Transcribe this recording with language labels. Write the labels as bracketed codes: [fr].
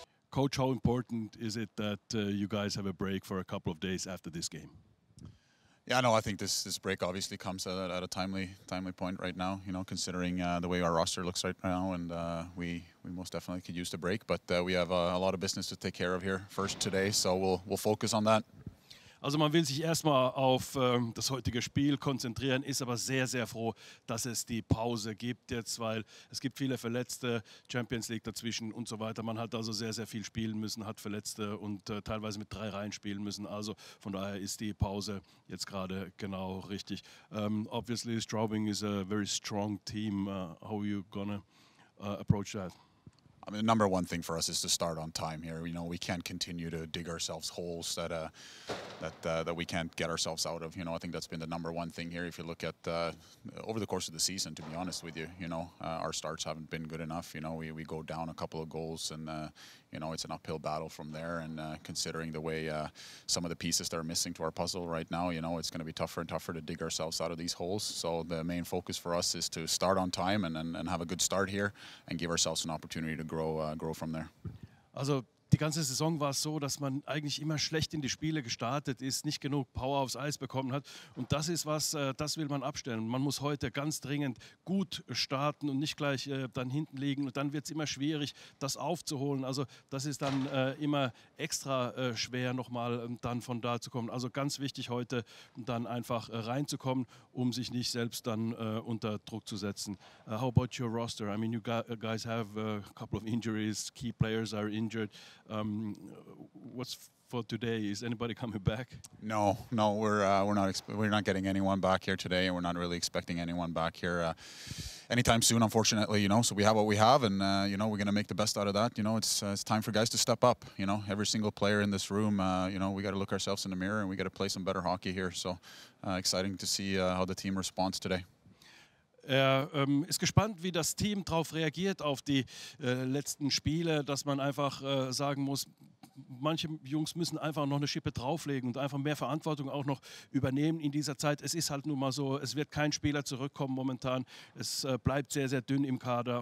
[en] coach, how important is it that you guys have a break for a couple of days after this game? Yeah, no, I think this break obviously comes at a timely point right now, you know, considering the way our roster looks right now, and we most definitely could use the break, but we have a lot of business to take care of here first today, so we'll focus on that. [de] Also man will sich erstmal auf das heutige Spiel konzentrieren, ist aber sehr, sehr froh, dass es die Pause gibt jetzt, weil es gibt viele Verletzte, Champions League dazwischen und so weiter. Man hat also sehr, sehr viel spielen müssen, hat Verletzte und teilweise mit drei Reihen spielen müssen. Also von daher ist die Pause jetzt gerade genau richtig. [en] Obviously, Straubing is a very strong team. How are you gonna approach that? I mean, the number one thing for us is to start on time here. You know, we can't continue to dig ourselves holes that that we can't get ourselves out of. You know, I think that's been the number one thing here. If you look at over the course of the season, to be honest with you, you know, our starts haven't been good enough. You know, we go down a couple of goals, and you know, it's an uphill battle from there. And considering the way some of the pieces that are missing to our puzzle right now, you know, it's going to be tougher and tougher to dig ourselves out of these holes. So the main focus for us is to start on time and have a good start here and give ourselves an opportunity to grow from there. [de] Also die ganze Saison war es so, dass man eigentlich immer schlecht in die Spiele gestartet ist, nicht genug Power aufs Eis bekommen hat. Und das ist was, das will man abstellen. Man muss heute ganz dringend gut starten und nicht gleich dann hinten liegen. Und dann wird es immer schwierig, das aufzuholen. Also das ist dann immer extra schwer, nochmal dann von da zu kommen. Also ganz wichtig heute dann einfach reinzukommen, um sich nicht selbst dann unter Druck zu setzen. [en] How about your roster? I mean, you guys have a couple of injuries. Key players are injured. What's for today? Is anybody coming back? No, we're not getting anyone back here today, and we're not really expecting anyone back here anytime soon, unfortunately, you know. So we have what we have, and you know, we're going to make the best out of that. You know, it's time for guys to step up, you know. Every single player in this room, you know, we got to look ourselves in the mirror, and we got to play some better hockey here. So exciting to see how the team responds today. [de] Er ist gespannt, wie das Team darauf reagiert, auf die letzten Spiele, dass man einfach sagen muss, manche Jungs müssen einfach noch eine Schippe drauflegen und einfach mehr Verantwortung auch noch übernehmen in dieser Zeit. Es ist halt nun mal so, es wird kein Spieler zurückkommen momentan. Es bleibt sehr, sehr dünn im Kader.